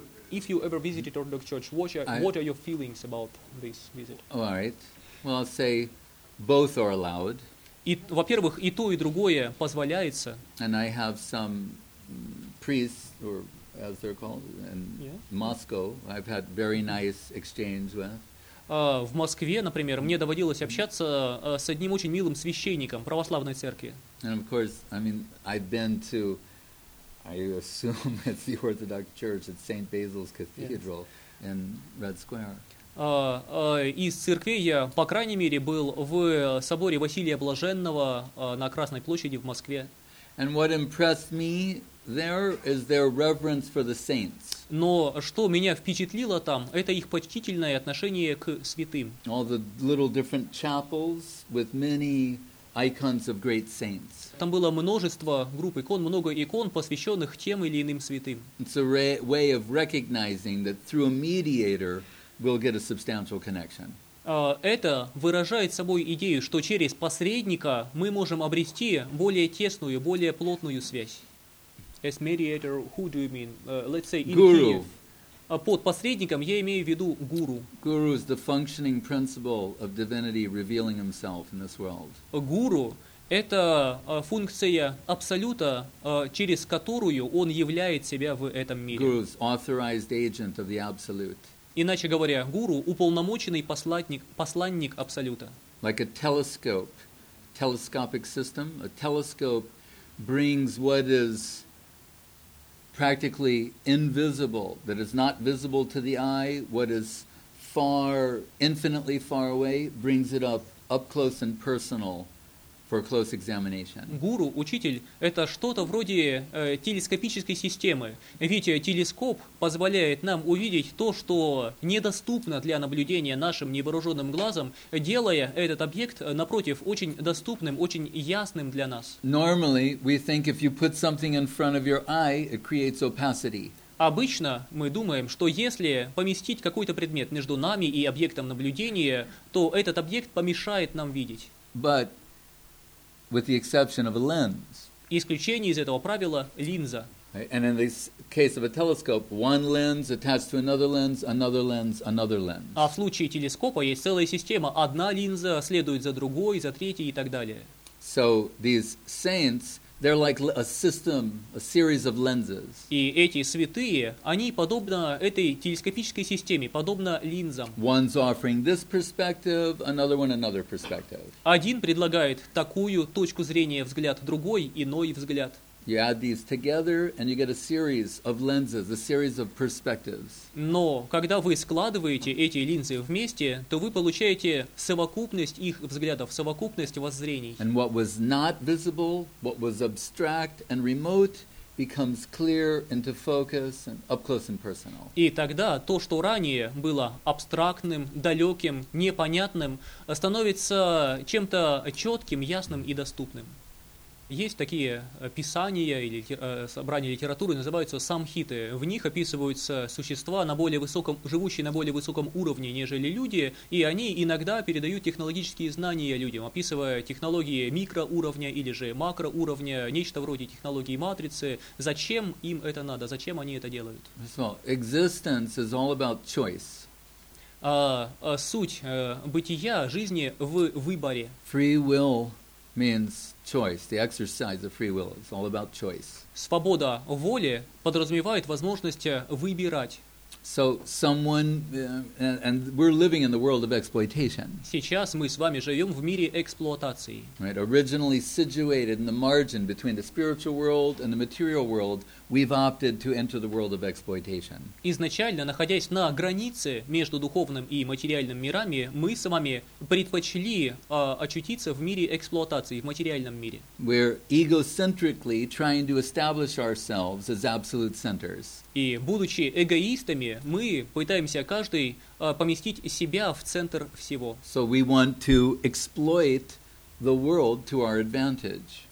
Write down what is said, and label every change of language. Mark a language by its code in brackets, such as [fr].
[en] If you ever visited Orthodox Church, what are your feelings about this visit? All right. Well, I'll say both are allowed. [ru] Во-первых, и то, и другое позволяется. [en] And I have some priests or as they're called, in Moscow, I've had very nice exchange with. [ru] В Москве, например, мне доводилось общаться с одним очень милым священником православной церкви. [en] And of course, I mean, I've been to, I assume it's the Orthodox Church at St. Basil's Cathedral in Red Square. [ru] Из церкви я, по крайней мере, был в соборе Василия Блаженного на Красной площади в Москве. [en] And what impressed me there is their reverence for the saints. [ru] Но что меня впечатлило там, это их почтительное отношение к святым. [en] All the little different chapels with many icons of great saints. [ru] Там было множество групп икон, много икон, посвященных тем или иным святым. [en] It's a way of recognizing that through a mediator we'll get a substantial connection. [ru] Это выражает собой идею, что через посредника мы можем обрести более тесную, более плотную связь. [en] As mediator, who do you mean? Let's say in guru. Kiev. [ru] Под посредником я имею в виду гуру. [en] Guru is the functioning principle of divinity revealing himself in this world. [ru] Гуру – это функция абсолюта, через которую он являет себя в этом мире. [en] Guru is authorized agent of the absolute. [ru] Иначе говоря, гуру – уполномоченный посланник Абсолюта. [en] Like a telescope, telescopic system. A telescope brings what is practically invisible, that is not visible to the eye, what is far, infinitely far away, brings it up close and personal for close examination. [ru] Гуру, учитель – это что-то вроде телескопической системы. Ведь телескоп позволяет нам увидеть то, что недоступно для наблюдения нашим невооруженным глазом, делая этот объект, напротив, очень доступным, очень ясным для нас. [en] Normally, we think if you put something in front of your eye, it creates opacity. [ru] Обычно мы думаем, что если поместить какой-то предмет между нами и объектом наблюдения, то этот объект помешает нам видеть. [en] But with the exception of a lens. [ru] Исключение из этого правила – линза. [en] And in the case of a telescope, one lens attached to another lens, another lens, another lens. [ru] А в случае телескопа есть целая система. Одна линза следует за другой, за третьей и так далее. [en] So these saints, they're like a system, a series of lenses. [ru] И эти святые, они подобно этой телескопической системе, подобно линзам. [en] One's offering this perspective, another one another perspective. [ru] Один предлагает такую точку зрения, взгляд, другой иной взгляд. [en] You add these together, and you get a series of lenses, a series of perspectives. [ru] Но когда вы складываете эти линзы вместе, то вы получаете совокупность их взглядов, совокупность воззрений. [en] And what was not visible, what was abstract and remote, becomes clear into focus and up close and personal. [ru] И тогда то, что ранее было абстрактным, далеким, непонятным, становится чем-то четким, ясным и доступным. Есть такие писания или собрания литературы, называются самхиты. В них описываются существа, на более высоком, живущие на более высоком уровне, нежели люди, и они иногда передают технологические знания людям, описывая технологии микроуровня или же макроуровня, нечто вроде технологии матрицы. Зачем им это надо? Зачем они это делают? [en] Existence is all about choice. [ru] Суть бытия, жизни в выборе. [en] Free will means choice. The exercise of free will is all about choice. [ru] Свобода воли подразумевает возможность выбирать. [en] So someone, and we're living in the world of exploitation. [ru] Сейчас мы с вами живем в мире эксплуатации. [en] Right, originally situated in the margin between the spiritual world and the material world, we've opted to enter the world of exploitation. [ru] Изначально, находясь на границе между духовным и материальным мирами, мы с вами предпочли очутиться в мире эксплуатации, в материальном мире. [en] We're egocentrically trying to establish ourselves as absolute centers. [ru] И будучи эгоистами, мы пытаемся каждый поместить себя в центр всего. [en] So we want to exploit the world to our advantage.